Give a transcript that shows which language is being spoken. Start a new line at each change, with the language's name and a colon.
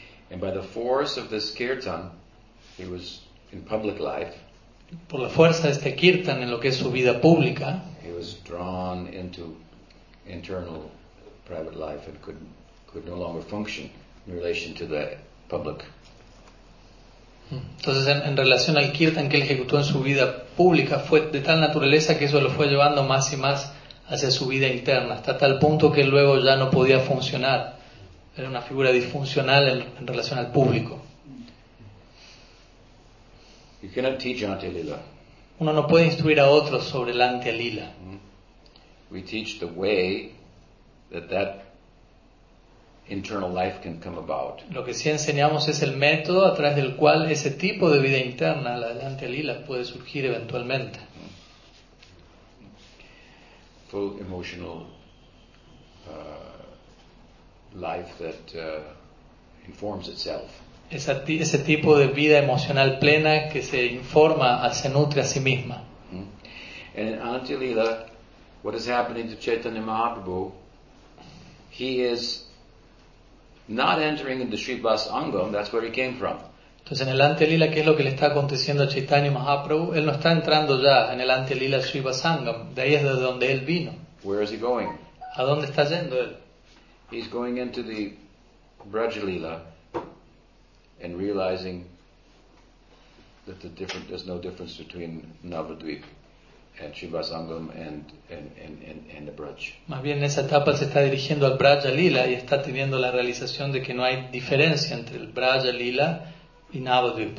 English: And by the force of this Kirtan, he was in public life.
Spanish: Por la fuerza de este Kirtan en lo que es su vida pública,
English: he was drawn into internal private life and could no longer function in relation to the public.
Spanish: Entonces, en relación al kirtan que él ejecutó en su vida pública, fue de tal naturaleza que eso lo fue llevando más y más hacia su vida interna, hasta tal punto que luego ya no podía funcionar. Era una figura disfuncional en relación al público.
English: You cannot teach Antilila.
Spanish: Uno no puede instruir a otros sobre el Antilila.
English: We teach the way that that internal life can come about.
Spanish: Lo que sí enseñamos es el método a través del cual ese tipo de vida interna, la del Antilila, puede surgir eventualmente.
English: Full emotional life that informs itself.
Spanish: Ese tipo de vida emocional plena que se informa, se nutre a sí misma.
English: And in Antilila, what is happening to Chaitanya Mahaprabhu, he is not entering into Sri Vas Angam, that's where he came from.
Spanish: Entonces, en el Antilila, ¿qué es lo que le está aconteciendo a Chaitanya Mahaprabhu? Él no está entrando ya en el Antilila Sri Vas Angam, de ahí es de donde él vino.
English: Where is he going?
Spanish: ¿A dónde está yendo él?
English: He's going into the Brajalila and realizing that there's no difference between Navadvipa and Shivasangam and the Braj.
Spanish: Más bien en esa etapa se está dirigiendo al Braja Lila y está teniendo la realización de que no hay diferencia entre el Braja Lila y Navadvip.